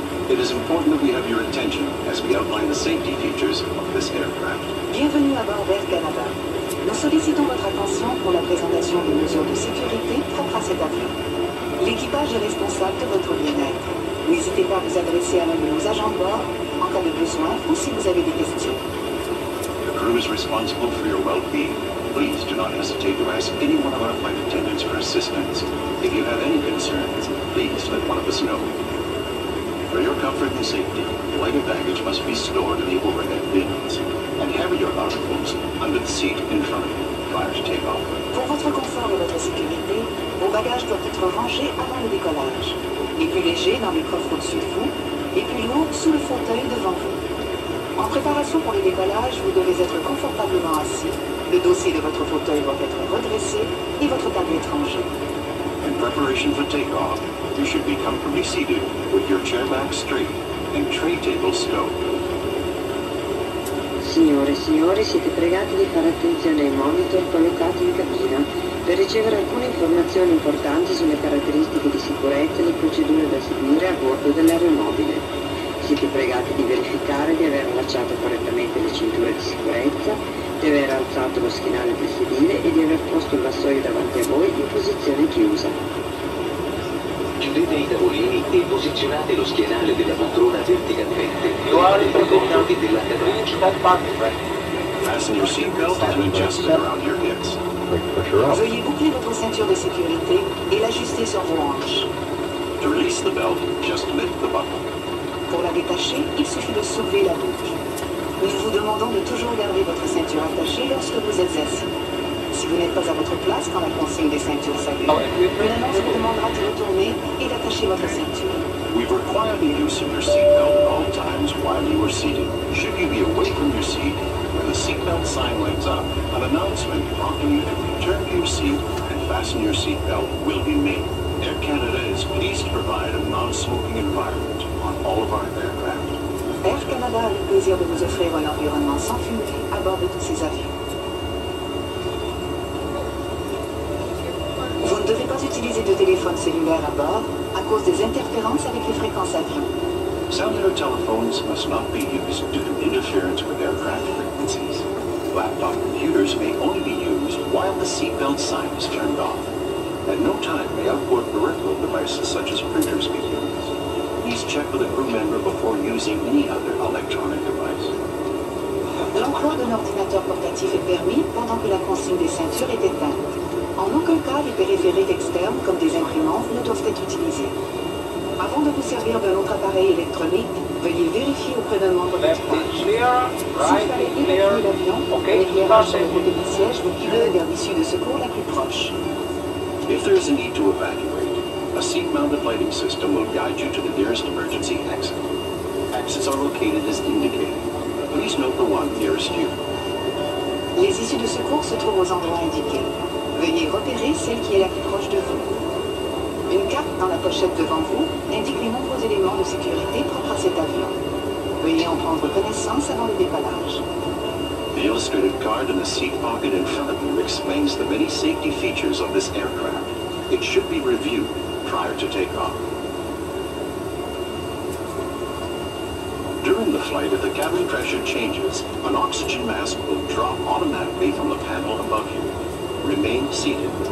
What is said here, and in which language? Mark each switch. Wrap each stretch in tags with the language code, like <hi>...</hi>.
<en>It is important that we have your attention as we outline the safety features of this aircraft.</en> <fr>Bienvenue à bord d'Air Canada. Nous sollicitons votre attention pour la présentation des mesures de sécurité propres à cet avion. L'équipage est responsable de votre bien-être. N'hésitez pas à vous adresser à l'un de nos agents de bord en cas de besoin ou si vous avez des questions.</fr> <en>The crew is responsible for your well-being. Please do not hesitate to ask any one of our flight attendants for assistance. If you have any concerns, please let one of us know. For your comfort and safety, lighter baggage must be stored in the overhead bins. And have your articles under the seat in front of you prior to takeoff.</en> <fr>Pour votre confort et votre sécurité, vos bagages doivent être rangés avant le décollage. Les plus légers dans les coffres au-dessus de vous, et plus lourds sous le fauteuil devant vous. En préparation pour le décollage, vous devez être confortablement assis. Le dossier de votre fauteuil doit être redressé et votre table est rangée.</fr> <en>In preparation for takeoff, you should be comfortably seated with your chair back straight and tray table stowed.</en> <it>Signore e signori, siete pregati di fare attenzione ai monitor collocati in cabina per ricevere alcune informazioni importanti sulle caratteristiche di sicurezza e le procedure da seguire a bordo dell'aeromobile. Siete pregati di verificare di aver allacciato correttamente le cinture di sicurezza, di aver alzato lo schienale del sedile e di aver posto il vassoio davanti a voi in posizione chiusa. Chiudete i tavolini e posizionate lo schienale della poltrona verticalmente.</it> <en>You are in the control of the reach back pocket, right? Fasten your seatbelt and adjust it around your hips.</en> <fr>Veuillez boucler votre ceinture de sécurité et l'ajuster sur vos hanches.</fr> <en>To release the belt, just lift the buckle.</en> <fr>Pour la détacher, il suffit de soulever la boucle. Nous vous demandons de toujours garder votre ceinture attachée lorsque vous êtes assis. Si vous n'êtes pas à votre place quand la consigne des ceintures s'allume, une annonce vous demandera de retourner et d'attacher votre ceinture.</fr> <en>We require the use of your seatbelt at all times while you are seated. Should you be away from your seat, when the seatbelt sign lights up, an announcement prompting you to return to your seat and fasten your seatbelt will be made. Air Canada is pleased to provide a non-smoking environment on</en> <fr>aura le plaisir de vous offrir un environnement sans fumée à bord de tous ces avions. Vous ne devez pas utiliser de téléphone cellulaire à bord à cause des interférences avec les fréquences avions.</fr> <en>Cellular telephones must not be used due to interference with aircraft frequencies. Laptop computers may only be used while the seatbelt sign is turned off. At no time may outboard peripheral devices such as printers be used. Please check with a crew member before using any other electronic device.</en> <fr>L'emploi d'un ordinateur portatif est permis pendant que la consigne des ceintures est éteinte. En aucun cas, les périphériques externes, comme des imprimantes, ne doivent être utilisés. Avant de vous servir d'un autre appareil électronique, veuillez vérifier auprès d'un membre de l'équipage. Si vous allez évacuer l'avion, l'éclairage sur le côté du siège vous guiderait vers l'issue de secours la plus proche.</fr> <en>If there is a need to evacuate, a seat-mounted lighting system will guide you to the nearest emergency exit. Exits are located as indicated. Please note the one nearest you.</en> <fr>Les issues de secours se trouvent aux endroits indiqués. Veuillez repérer celle qui est la plus proche de vous. Une carte dans la pochette devant vous indique les nombreux éléments de sécurité propres à cet avion. Veuillez en prendre connaissance avant le décollage.</fr> <en>The illustrated card in the seat pocket in front of you explains the many safety features of this aircraft. It should be reviewed prior to takeoff. During the flight, if the cabin pressure changes, an oxygen mask will drop automatically from the panel above you. Remain seated.</en>